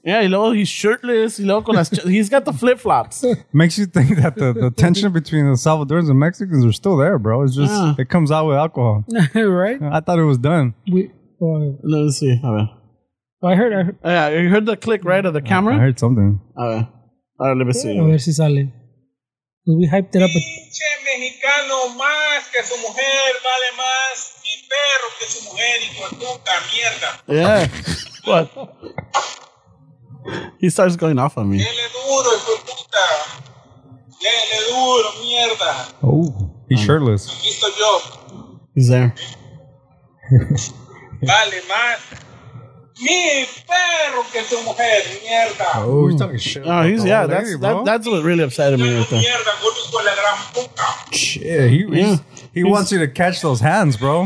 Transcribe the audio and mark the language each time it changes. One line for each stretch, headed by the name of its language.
English: Yeah, he's shirtless. He's got the flip-flops. Makes you think that the tension between the Salvadorans and Mexicans are still there, bro. It's just, it comes out with alcohol. Right? I thought it was done. Let me see. I heard. Yeah, you heard the click, right, of the camera? I heard something. All right, let me see.
Spanish: A ver si sale.
English: We hyped it up.
Spanish: Pinche mexicano más que su mujer vale más mi perro que su mujer y cuantuca mierda.
English: Yeah. What? He starts going off on me.
Spanish: Dele duro, hijo de puta. Dele duro, mierda.
English: Oh, he's shirtless.
Spanish: Aquí estoy yo.
English: He's there.
Spanish: Vale más mi perro que su mujer, mierda.
English: Oh, he's talking shit. Oh, that's what really upset me right there. Shit, he wants you to catch those hands, bro.